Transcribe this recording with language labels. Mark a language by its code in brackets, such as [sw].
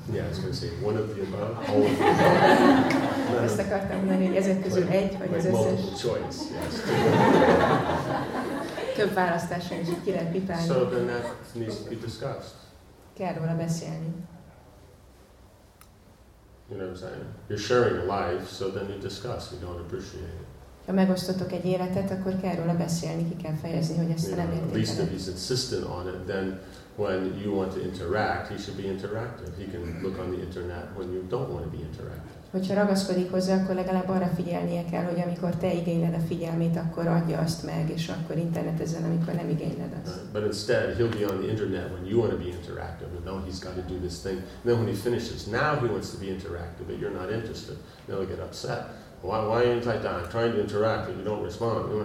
[en] Yeah, I was going to say, one of the above, all of the above. [hu] Ezt akartam mondani, hogy ezek közül [en] like, [hu] egy, vagy [en] like [hu] az összes. [en] Multiple choice, yes. [hu] Több választáson is ki lehet pipálni. [en] So then that needs to be discussed. [hu] Kell róla beszélni. [en] You know what I'm saying? You're sharing a life, so then you discuss. You don't appreciate it. [hu] Ha megosztotok egy életet, akkor kell róla beszélni, ki kell fejezni, hogy ezt nem értékeled. [en] At least if he's insistent on it, then when you want to interact, he should be interactive. He can look on the internet when you don't want to be interactive. [hu] Hogyha ragaszkodik hozzá, akkor legalább arra figyelnie kell, hogy amikor te igényled a figyelmét, akkor adja azt meg, és akkor internetezzen, amikor nem igényled azt. [en] But instead, he'll be on the internet when you want to be interactive, and now he's got to do this thing. And then when he finishes, now he wants to be interactive, but you're not interested. Then he'll get upset. Why aren't I done? I'm trying to interact, and you don't respond.